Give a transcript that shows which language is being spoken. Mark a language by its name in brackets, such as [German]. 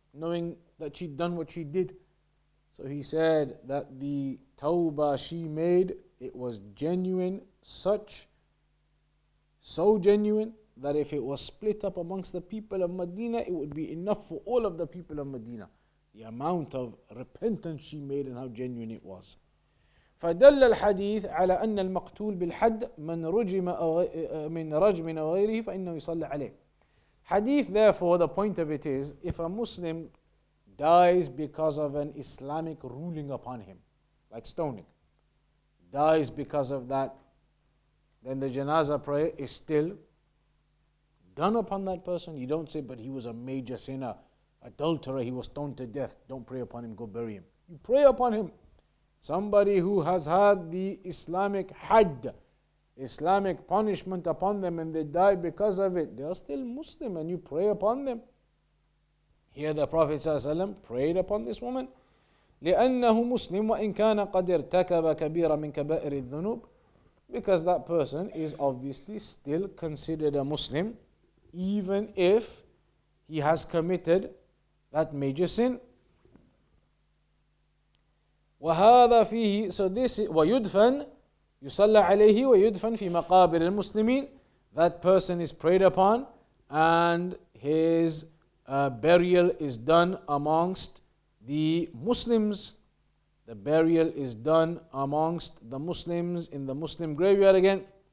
[English] Knowing that she'd done what she did. So he said that the tawbah she made, it was genuine, so genuine, that if it was split up amongst the people of Medina, it would be enough for all of the people of Medina. The amount of repentance she made and how genuine it was. [Arabic] فدل الحديث على أن المقتول بالحد من رجم أو من رجم أو غيره فإنه يصلي عليه. [English] Hadith, therefore, the point of it is, if a Muslim dies because of an Islamic ruling upon him, like stoning, dies because of that, then the janazah prayer is still done upon that person. You don't say, but he was a major sinner, adulterer, he was stoned to death, don't pray upon him, go bury him. You pray upon him. Somebody who has had the Islamic hajj, Islamic punishment upon them, and they die because of it, they are still Muslim, and you pray upon them. Here the Prophet ﷺ prayed upon this woman. [Arabic] لِأَنَّهُ مُسْلِمْ وَإِنْ كَانَ قَدْ ارْتَكَبَ كَبِيرًا مِنْ كَبَائِرِ الذُّنُوبِ. [English] Because that person is obviously still considered a Muslim, even if he has committed that major sin. [Arabic] وَهَذَا فِيهِ [English] So this is, [Arabic] وَيُدْفَنْ يُصَلَّ عَلَيْهِ وَيُدْفَنْ فِي مَقَابِرِ الْمُسْلِمِينَ. [English] That person is prayed upon and his burial is done amongst the Muslims. The burial is done amongst the Muslims in the Muslim graveyard again.